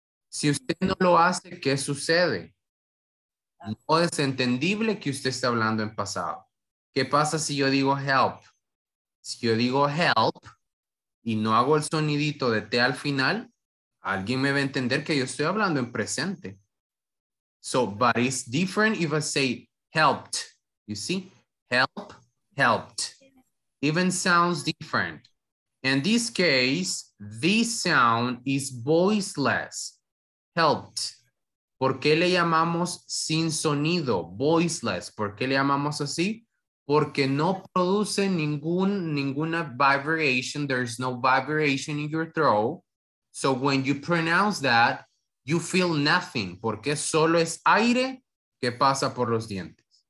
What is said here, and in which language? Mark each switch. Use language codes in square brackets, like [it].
[es] Si usted no lo hace, ¿qué sucede? No es entendible que usted está hablando en pasado. ¿Qué pasa si yo digo help? Si yo digo help y no hago el sonidito de T al final, alguien me va a entender que yo estoy hablando en presente. [en] So, but it's different if I say helped. You see? Help, helped. Even sounds different. In this case, this sound is voiceless. Helped. [es] ¿Por qué le llamamos sin sonido? Voiceless. ¿Por qué le llamamos así? Porque no produce ninguna vibration. [en] There's no vibration in your throat. So when you pronounce that, you feel nothing. [es] Porque solo es aire que pasa por los dientes.